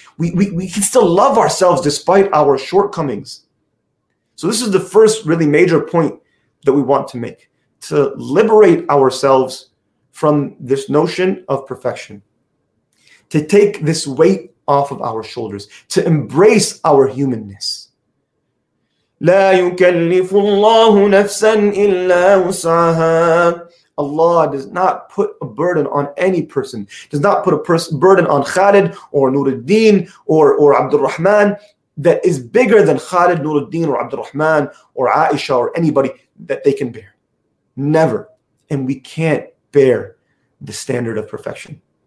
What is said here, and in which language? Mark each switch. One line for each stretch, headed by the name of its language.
English: We can still love ourselves despite our shortcomings. So this is the first really major point that we want to make, to liberate ourselves from this notion of perfection, to take this weight off of our shoulders, to embrace our humanness.
Arabic: لا يكلف الله نفسا إلا وسعها.
English: Allah does not put a burden on any person, does not put a burden on Khalid or Nuruddin or Abdurrahman that is bigger than Khalid, Nuruddin, or Abdurrahman, or Aisha, or anybody that they can bear. Never. And we can't bear the standard of perfection.